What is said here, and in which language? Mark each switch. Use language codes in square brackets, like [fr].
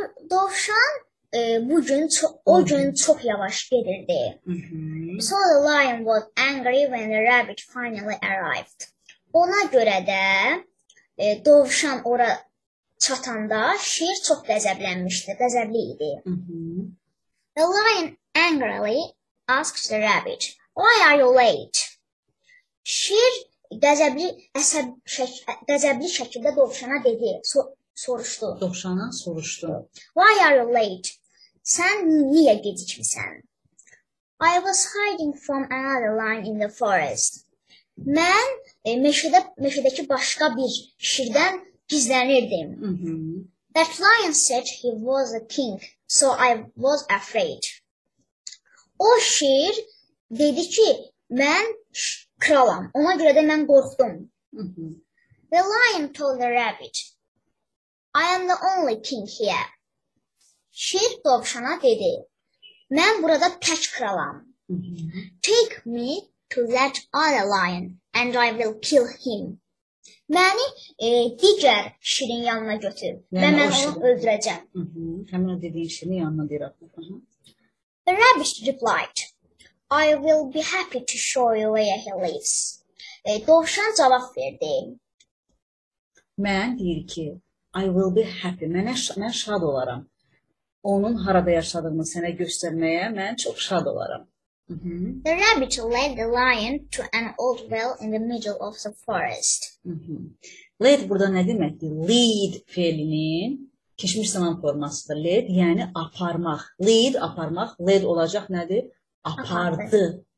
[az] Dovşan o gün çox yavaş gedirdi. [en] So the lion was angry when the rabbit finally arrived. [az] Ona görə də dovşan ora çatanda şir çox qəzəblənmişdi, qəzəbli idi. [en] The lion angrily asked the rabbit, "Why are you late?" [az] Şir qəzəbli şəkildə dovşana dedi, soruşdu. Dovşana soruşdu. [en] "Why are you late?" [az] Sən niyə gecikmisən? [en] "I was hiding from another lion in the forest." [az] Mən meşədəki başqa bir şirdən gizlənirdim. [en] That lion said he was a king, so I was afraid. [az] O şir dedi ki, mən kralam, ona görə də mən qorxdum. [en] The lion told the rabbit, "I am the only king here." [az] Şir dovşana dedi, mən burada tək kralam. [en] Take me to that other lion and I will kill him. [az] Məni digər şirin yanına götür və mən onu öldürəcəm. Həmin o dediyin şirin yanına deyir. [en] The rabbit replied, "I will be happy to show you where he lives." [az] Dovşan cavab verdi. Mən deyir ki, [en] I will be happy. [az] Mən şad olaram. Onun harada yaşadığını sənə göstərməyə mən çox şad olaram. [en] The rabbit led the lion to an old well in the middle of the forest. [az] Led burada nə deməkdir? Lead fiilinin keçmiş zaman formasıdır. Led, yəni aparmaq. Lead, aparmaq. Led olacaq nədir? Apardı.